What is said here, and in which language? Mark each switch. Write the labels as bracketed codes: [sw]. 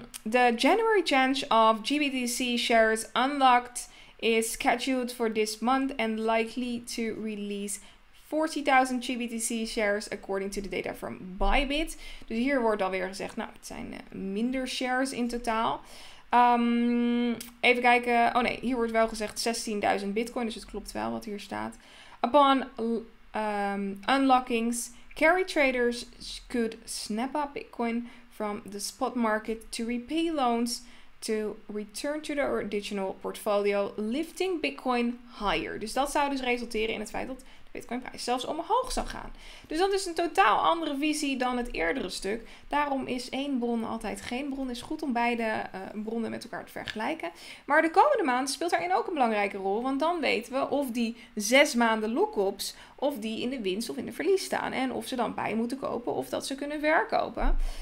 [en] The January change of GBTC shares unlocked is scheduled for this month and likely to release 40.000 GBTC shares according to the data from Bybit. [nl] Dus hier wordt alweer gezegd, nou, het zijn minder shares in totaal. Even kijken. Oh nee, hier wordt wel gezegd 16.000 bitcoin, dus het klopt wel wat hier staat. [en] Upon unlockings, carry traders could snap up bitcoin from the spot market to repay loans to return to the original portfolio, lifting bitcoin higher. [nl] Dus dat zou dus resulteren in het feit dat de bitcoinprijs zelfs omhoog zou gaan. Dus dat is een totaal andere visie dan het eerdere stuk. Daarom is één bron altijd geen bron. Het is goed om beide bronnen met elkaar te vergelijken. Maar de komende maand speelt daarin ook een belangrijke rol, want dan weten we of die 6 maanden lookups, of die in de winst of in de verlies staan en of ze dan bij moeten kopen of dat ze kunnen verkopen.